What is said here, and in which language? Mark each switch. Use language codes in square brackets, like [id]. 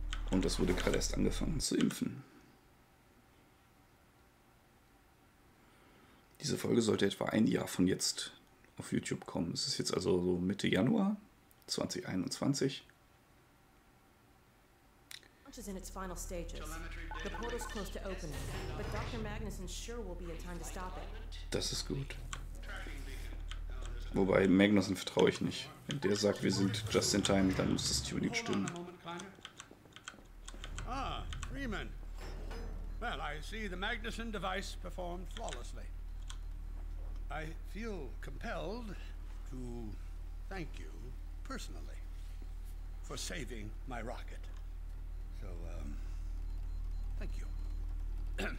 [de] Und das wurde gerade erst angefangen zu impfen. Diese Folge sollte etwa ein Jahr von jetzt auf YouTube kommen. Es ist jetzt also so Mitte Januar 2021. [en] Is in its final stages. The portal's close to opening, but Dr. Magnusson sure will be in time to stop it. [de] Das ist gut. Wobei Magnusson vertraue ich nicht. Wenn der sagt, wir sind [en] just in time, [de] dann muss das Tuning stimmen. [en] Ah, Freeman. Well, I see the Magnusson device performed flawlessly. I feel compelled to thank you personally for saving my rocket. So, thank you.